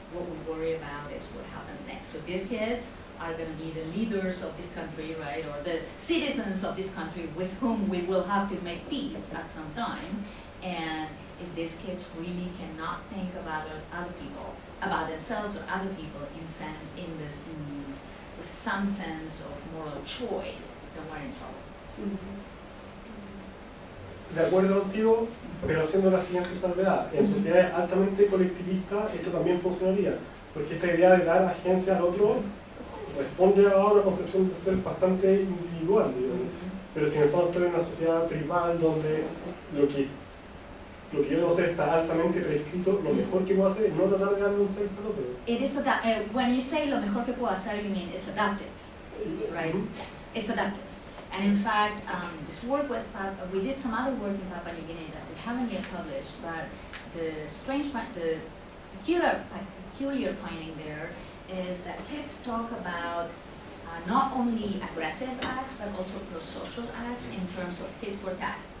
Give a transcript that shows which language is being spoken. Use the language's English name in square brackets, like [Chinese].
[English] What we worry about is what happens next. So these kids are going to be the leaders of this country, right, or the citizens of this country with whom we will have to make peace at some time. And if these kids really cannot think about other people, about themselves or other people with some sense of moral choice, then we're in trouble. Mm-hmm. [Spanish] De acuerdo contigo, pero haciendo la siguiente salvedad, en sociedades altamente colectivistas esto también funcionaría, porque esta idea de dar agencia al otro responde a una concepción de ser bastante individual, ¿no? Pero si en el fondo estoy en una sociedad tribal donde lo que yo debo hacer está altamente prescrito, lo mejor que puedo hacer es no tratar de dar un ser al otro. [English] When you say [Spanish] lo mejor que puedo hacer, [English] you mean it's adaptive, right? It's adaptive. And in fact, this work with we did some other work in Papua New Guinea that we haven't yet published, but the peculiar finding there is that kids talk about not only aggressive acts, but also pro-social acts in terms of tit for tat.